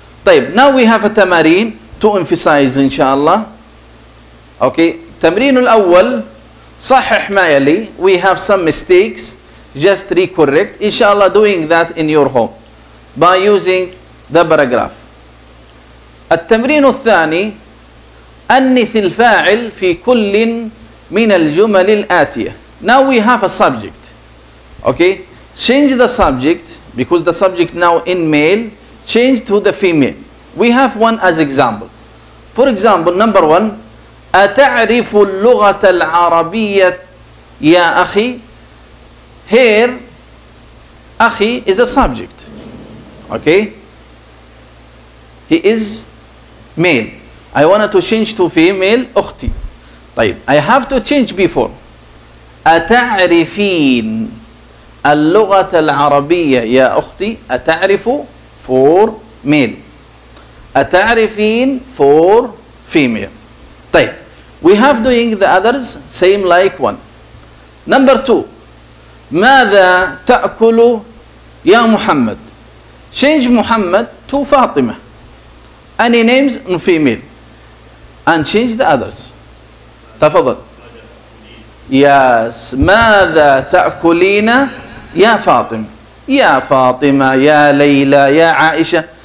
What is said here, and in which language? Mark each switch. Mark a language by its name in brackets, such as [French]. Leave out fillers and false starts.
[English] طيب, now we have a tamarin to emphasize, inshallah. Okay. [Arabic] تمرين الأول صحح ما يلي. [English] We have some mistakes. Just recorrect. Inshallah doing that in your home by using the paragraph. [Arabic] التمرين الثاني أنث الفاعل في كل من الجمل الآتية. [English] Now we have a subject. Okay. Change the subject because the subject now in male. Change to the female. We have one as example. For example, number one. [Arabic] أتعرف اللغة العربية يا أخي؟ [English] Here, أخي is a subject. Okay? He is male. I want to change to female, أختي. طيب, I have to change before. [Arabic] أتعرفين اللغة العربية يا أختي؟ أتعرف [English] for male. أتعرفين for female. طيب. We have doing the others same like one. Number two. [Arabic] ماذا تأكل يا محمد؟ [English] Change محمد to فاطمة. Any names in female. And change the others. تفضل. Yes. [Arabic] ماذا تأكلين يا فاطمة؟ يا فاطمة يا ليلى يا عائشة.